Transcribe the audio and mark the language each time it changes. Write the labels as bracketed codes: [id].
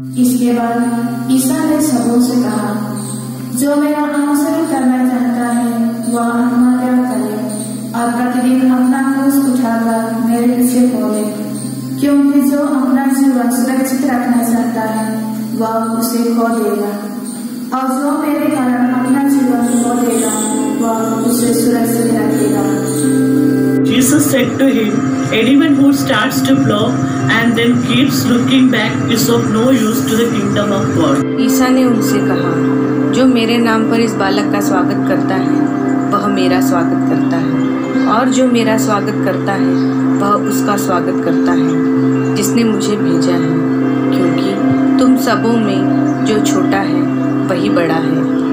[hi] इसके बाद ईसा ने सबों से कहा, जो मेरा अनुसरण करना चाहता है वह आत्मा क्या करे और प्रतिदिन अपना क्रूस उठाकर मेरे पीछे फॉलो, क्योंकि जो अपना जीवन सुरक्षित रखना चाहता है वह उसे खो देगा और जो मेरे कारण अपना जीवन खो देगा वह उसे सुरक्षित रखेगा। [en] Jesus said to him, anyone who starts to plow and then keeps looking back is of no use to the kingdom of God. [hi] ईसा ने उनसे कहा, जो मेरे नाम पर इस बालक का स्वागत करता है वह मेरा स्वागत करता है और जो मेरा स्वागत करता है वह उसका स्वागत करता है जिसने मुझे भेजा है, क्योंकि तुम सबों में जो छोटा है वही बड़ा है।